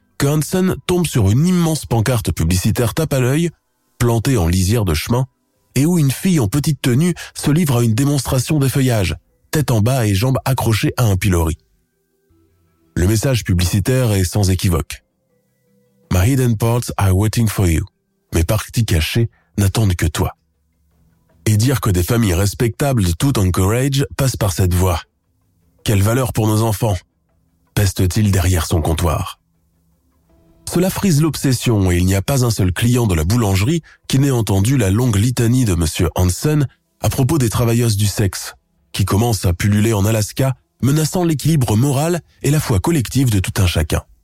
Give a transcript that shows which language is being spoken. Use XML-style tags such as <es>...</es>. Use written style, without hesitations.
<fr>que Hansen tombe sur une immense pancarte publicitaire tape à l'œil, plantée en lisière de chemin, et où une fille en petite tenue se livre à une démonstration d'effeuillage, tête en bas et jambes accrochées à un pilori. Le message publicitaire est sans équivoque.</fr> <en>« My hidden parts are waiting for you.</en> <fr>Mes parties cachées n'attendent que toi. » Et dire que des familles respectables de tout Anchorage passent par cette voie. « Quelle valeur pour nos enfants » peste-t-il derrière son comptoir. Cela frise l'obsession et il n'y a pas un seul client de la boulangerie qui n'ait entendu la longue litanie de Monsieur Hansen à propos des travailleuses du sexe, qui commencent à pulluler en Alaska, menaçant l'équilibre moral et la foi collective de tout un chacun.</fr>